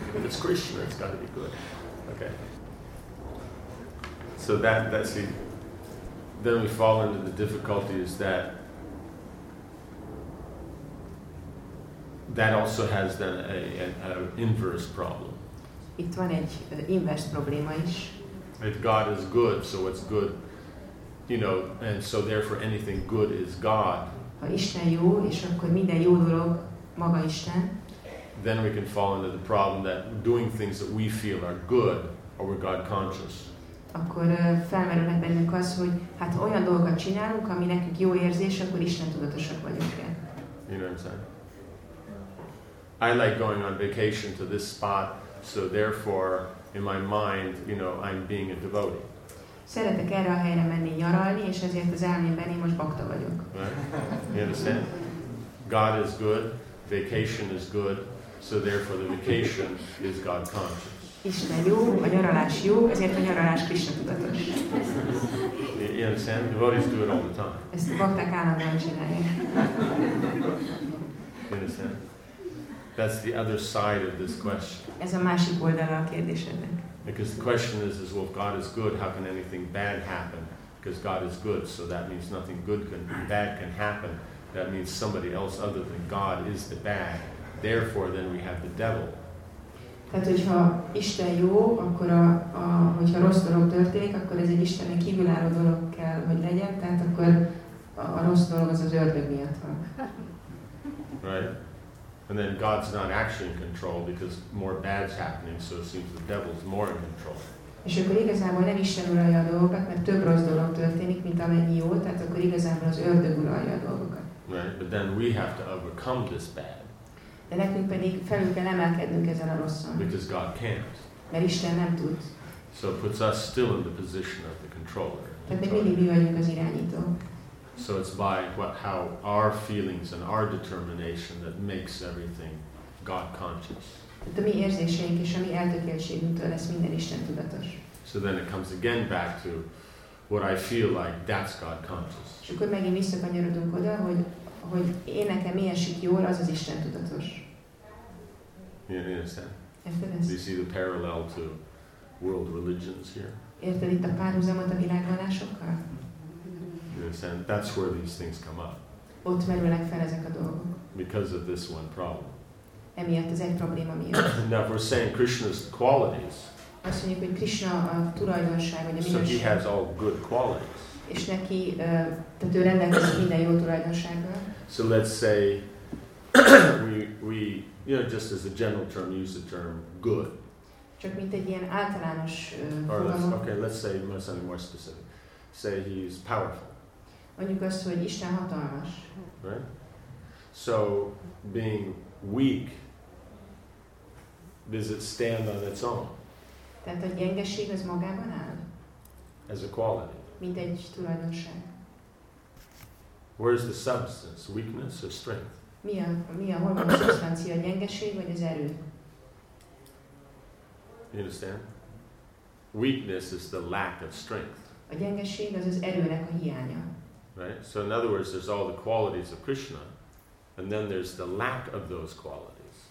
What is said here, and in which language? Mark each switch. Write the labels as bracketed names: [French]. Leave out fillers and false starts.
[English] If it's Krishna, it's got to be good. Okay. So that's it. Then we fall into the difficulties that that also has then an inverse problem. [Hungarian] Itt van egy inverse probléma is. [English] If God is good, so what's good, you know, and so therefore anything good is God. [Hungarian] Ha Isten jó, és akkor minden jó dolog maga Isten. [English] Then we can fall into the problem that doing things that we feel are good, or we're God conscious. [Hungarian] Akkor felmerülhet bennünk az, hogy hát olyan dolgokat csinálunk, ami nekünk jó érzés, akkor Isten tudatosak vagyunk-e. [English] You know what I'm saying? I like going on vacation to this spot, so therefore, in my mind, you know, I'm being a devotee. [Hungarian] Szeretek erre a helyre menni nyaralni, és ezért az elmémben én most bakta vagyok. [English] Right? You understand? God is good, vacation is good, so therefore the vacation is God conscious. [Hungarian] Isten jó, a nyaralás jó, ezért a nyaralás Krisna tudatos. [English] You understand? Devotees do it all the time. [Hungarian] Ezt a bakták állandóan csinálják. [English] You understand? That's the other side of this question. [Hungarian] Ez a másik oldala a kérdésednek. [English] Because the question is well, if God is good, how can anything bad happen? Because God is good, so that means nothing good can bad can happen. That means somebody else other than God is the bad. Therefore, then we have the devil. [Hungarian] Tehát, hogyha Isten jó, akkor hogyha rossz dolog történik, akkor ez egy Istennek kívülálló dolog kell, hogy legyen. Tehát akkor a rossz dolog az ördög miatt van. [English] Right? And then God's not actually in control because more bad's happening, so it seems the devil's more in control. [Hungarian] És akkor igazából nem Isten uralja a dolgokat, mert több rossz dolog történik, mint amennyi jó, tehát akkor igazából az ördög uralja a dolgokat. [English] Right, but then we have to overcome this bad. [Hungarian] De nekünk pedig felül kell emelkednünk ezen a rosszon. [English] Because God can't. [Hungarian] Mert Isten nem tud. [English] So it puts us still in the position of the controller. [Hungarian] Tehát még mindig mi vagyunk az irányító. [English] So it's by what, how our feelings and our determination that makes everything God conscious. [Hungarian] A mi érzéseink és a mi eltökéltségünktől lesz minden Isten tudatos. [English] So then it comes again back to what I feel like, that's God conscious. [Hungarian] És akkor megint visszakanyarodunk oda, hogy én nekem mi esik jól, az az Isten tudatos. [English] You understand? Do you see the parallel to world religions here? [Hungarian] Érted itt a párhuzamot a világvallásokkal? [English] And that's where these things come up. [Hungarian] Ott merülnek fel ezek a dolgok. [English] Because of this one problem. [Hungarian] Emiatt az egy probléma miatt. [English] Now if we're saying Krishna's qualities. [Hungarian] Azt mondjuk, hogy Krishna a tulajdonság, vagy a [English] minőség. So he has all good qualities. [Hungarian] És neki, tehát ő rendelkezik minden jó tulajdonsággal. [English] So let's say we you know, just as a general term, use the term good. [Hungarian] Csak mint egy ilyen általános [English] More specific. Say he is powerful. [Hungarian] Mondjuk azt, hogy Isten hatalmas. [English] Right? So, being weak, does it stand on its own? [Hungarian] Tehát a gyengeség az magában áll? [English] As a quality. [Hungarian] Mint egy tulajdonság. [English] Where is the substance? Weakness or strength? [Hungarian] Mi a hol van a szubstancia? A gyengeség vagy az erő? [English] You understand? Weakness is the lack of strength. [Hungarian] A gyengeség az az erőnek a hiánya. [English] Right? So in other words, there's all the qualities of Krishna, and then there's the lack of those qualities.